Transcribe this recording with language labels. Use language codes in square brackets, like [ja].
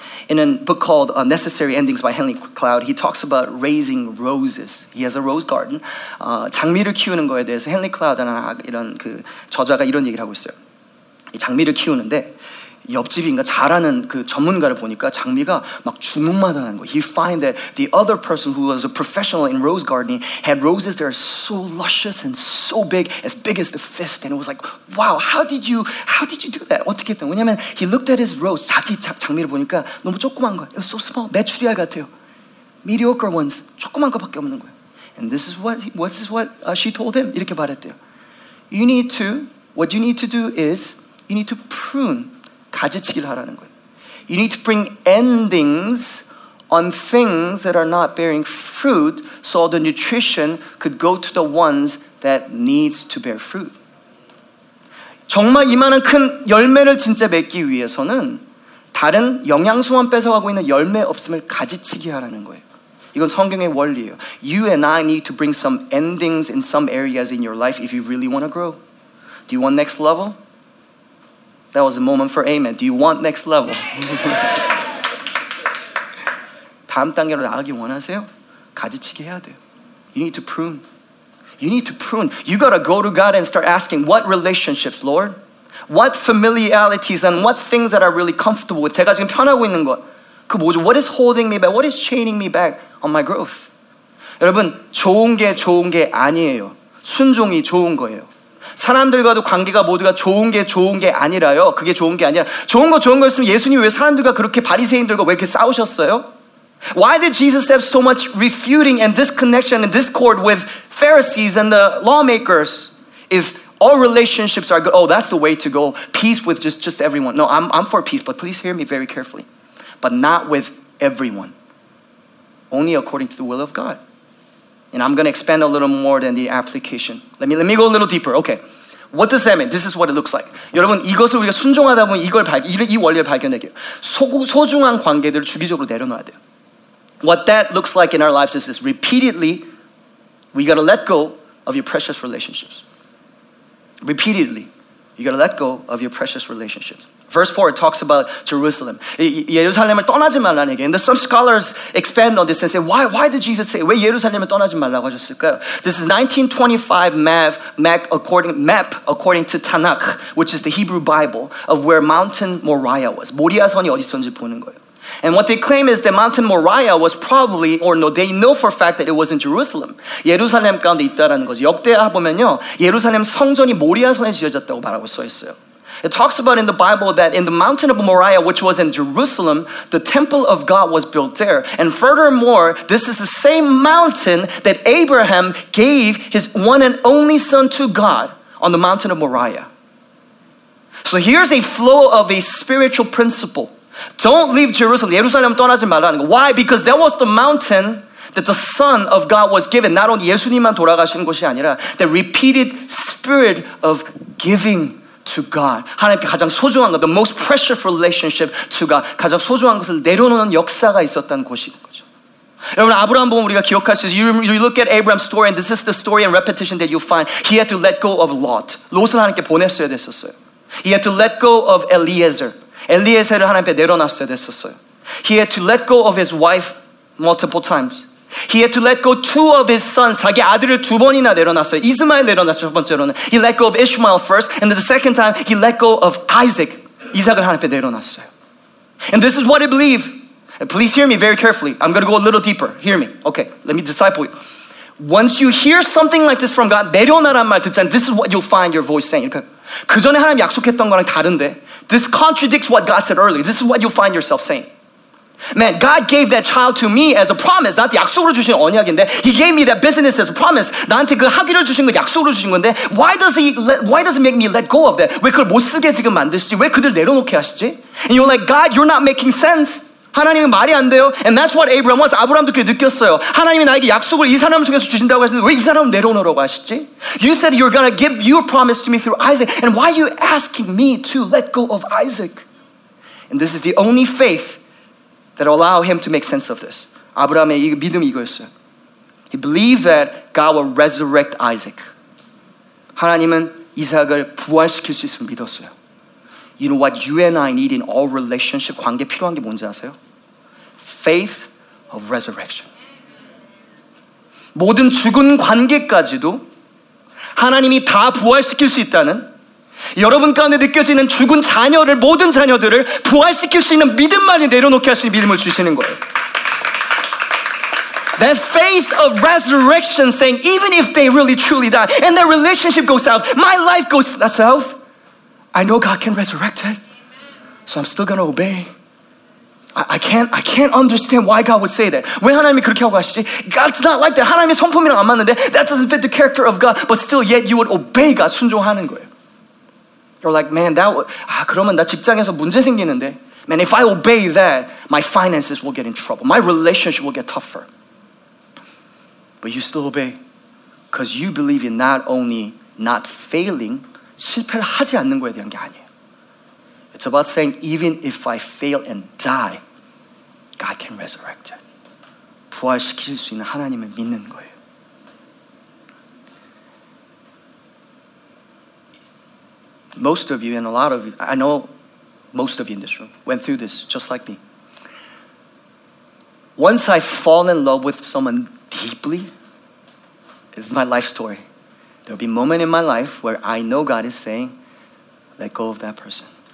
[en] In a book called Necessary Endings by Henley Cloud, he talks about raising roses. He has a rose garden. [ko] 장미를 키우는 거에 대해서 헨리 클라우드라는 이런 그 저자가 이런 얘기를 하고 있어요. 이 장미를 키우는데 옆집인가 잘하는 그 전문가를 보니까 장미가 막 주문마다는 거예요. [en] He find that the other person who was a professional in rose gardening had roses that are so luscious and so big as the fist. And it was like, wow, how did you do that? [ko] 어떻게 했던? 왜냐면 [en] he looked at his rose, [ko] 자기 장미를 보니까 너무 조그만 거. [en] It was so small, [ko] 메추리알 같아요. [en] Mediocre ones, [ko] 조그만 거밖에 없는 거예요. [en] And this is what she told him. [ko] 이렇게 말했대요. [en] What you need to do is prune. [ko] 가지치기를 하라는 거예요. [en] You need to bring endings on things that are not bearing fruit so the nutrition could go to the ones that needs to bear fruit. [ko] 정말 이만한 큰 열매를 진짜 맺기 위해서는 다른 영양소만 뺏어가고 있는 열매 없음을 가지치기 하라는 거예요. 이건 성경의 원리예요. [en] You and I need to bring some endings in some areas in your life if you really want to grow. Do you want next level? That was a moment for amen. Do you want next level? [ko] 다음 단계로 나가기 원하세요? 가지치기 해야 돼요. [en] You need to prune. You need to prune. You gotta go to God and start asking, what relationships, Lord? What familiarities and what things that I'm really comfortable with? [ko] 제가 지금 편하고 있는 것. 그 뭐죠? [en] What is holding me back? What is chaining me back on my growth? [ko] 여러분, 좋은 게 아니에요. 순종이 좋은 거예요. 사람들과도 관계가 모두가 좋은 게 아니라요. 그게 좋은 게 아니라 좋은 거 좋은 거였으면 예수님이 왜 사람들과 그렇게 바리새인들과 왜 이렇게 싸우셨어요? [en] Why did Jesus have so much refuting and disconnection and discord with Pharisees and the lawmakers if all relationships are good? Oh, that's the way to go. Peace with just everyone. No, I'm for peace, but please hear me very carefully. But not with everyone. Only according to the will of God. And I'm going to expand a little more than the application. Let me go a little deeper. Okay. What does that mean? This is what it looks like. [ko] 여러분, 이것을 우리가 순종하다 보면 이 원리를 발견하게 돼요. 소중한 관계들을 주기적으로 내려놔야 돼요. [en] What that looks like in our lives is this. Repeatedly, we got to let go of your precious relationships. Repeatedly, you got to let go of your precious relationships. Verse 4, it talks about Jerusalem. [ko] 예루살렘을 떠나지 말라는 얘기. [en] And some scholars expand on this and say, why did Jesus say, [ko] 왜 예루살렘을 떠나지 말라고 하셨을까요? [en] This is 1925 map according to Tanakh, which is the Hebrew Bible, of where Mountain Moriah was. [ko] 모리아산이 어디 있었는지 보는 거예요. [en] And what they claim is that Mountain Moriah was probably, or no, they know for a fact that it was in Jerusalem. [ko] 예루살렘 가운데 있다라는 거죠. 역대하 보면요, 예루살렘 성전이 모리아산에 지어졌다고 말하고 써 있어요. [en] It talks about in the Bible that in the Mountain of Moriah, which was in Jerusalem, the temple of God was built there. And furthermore, this is the same mountain that Abraham gave his one and only son to God on the Mountain of Moriah. So here's a flow of a spiritual principle. Don't leave Jerusalem. [ko] 예루살렘 떠나지 말라는 거. [en] Why? Because that was the mountain that the Son of God was given. [ko] 나 온 예수님만 돌아가신 곳이 아니라 [en] the repeated spirit of giving to God. [ko] 하나님께 가장 소중한 것, [en] the most precious relationship to God. [ko] 가장 소중한 것을 내려놓는 역사가 있었던 곳인 거죠. 여러분 아브라함 보면 우리가 기억할 수 있어요. [en] You look at Abraham's story and this is the story and repetition that you find. He had to let go of Lot. [ko] 롯을 하나님께 보냈어야 됐었어요. [en] He had to let go of Eliezer. [ko] 엘리에셀을 하나님께 내려놨어야 됐었어요. [en] He had to let go of his wife multiple times. He had to let go two of his sons. [ko] 자기 아들을 두 번이나 내려놨어요. 이스마엘 내려놨어요, 첫 번째로는. [en] He let go of Ishmael first, and then the second time, he let go of Isaac. [ko] 이삭을 하나님께 내려놨어요. [en] And this is what I believe. Please hear me very carefully. I'm going to go a little deeper. Hear me. Okay, let me disciple you. Once you hear something like this from God, [ko] 내려놔란 말 듣잖아요. [en] This is what you'll find your voice saying. [ko] 그 전에 하나님 약속했던 거랑 다른데, [en] this contradicts what God said earlier. This is what you'll find yourself saying. Man, God gave that child to me as a promise. [ko] 나한테 약속으로 주신 언약인데, [en] He gave me that business as a promise. [ko] 나한테 그 학위를 주신 건 약속으로 주신 건데, [en] why does he make me let go of that? [ko] 왜 그걸 못 쓰게 지금 만드시지? 왜 그들 내려놓게 하시지? [en] And you're like, God, you're not making sense. [ko] 하나님이 말이 안 돼요. [en] And that's what Abraham was. [ko] 아브라함도 그렇게 느꼈어요. 하나님이 나에게 약속을 이 사람을 통해서 주신다고 하셨는데 왜 이 사람을 내려놓으라고 하시지? [en] You said you're going to give your promise to me through Isaac. And why are you asking me to let go of Isaac? And this is the only faith that allow him to make sense of this. [ko] 아브라함의 믿음이 이거였어요. [en] He believed that God will resurrect Isaac. [ko] 하나님은 이삭을 부활시킬 수 있음을 믿었어요. [en] You know what you and I need in all relationship [ko] 관계 필요한 게 뭔지 아세요? [en] Faith of resurrection. [ko] 모든 죽은 관계까지도 하나님이 다 부활시킬 수 있다는 여러분 가운데 느껴지는 죽은 자녀를 모든 자녀들을 부활시킬 수 있는 믿음만이 내려놓게 할 수 있는 믿음을 주시는 거예요. [en] That faith of resurrection saying even if they really truly die and their relationship goes south, my life goes south, I know God can resurrect it, so I'm still going to obey. I can't understand why God would say that. [ko] 왜 하나님이 그렇게 하고 하시지? [en] God's not like that. [ko] 하나님의 성품이랑 안 맞는데 [en] that doesn't fit the character of God, but still yet you would obey God, [ko] 순종하는 거예요. [en] You're like, man, that would, [ko] 아, 그러면 나 직장에서 문제 생기는데. [en] Man, if I obey that, my finances will get in trouble. My relationship will get tougher. But you still obey because you believe in not only not failing, [ko] 실패를 하지 않는 거에 대한 게 아니에요. [en] It's about saying, even if I fail and die, God can resurrect it. [ko] 부활시킬 수 있는 하나님을 믿는 거예요. [en] I know most of you in this room went through this just like me. Once I fall in love with someone deeply, it's my life story. There'll be a moment in my life where I know God is saying, let go of that person.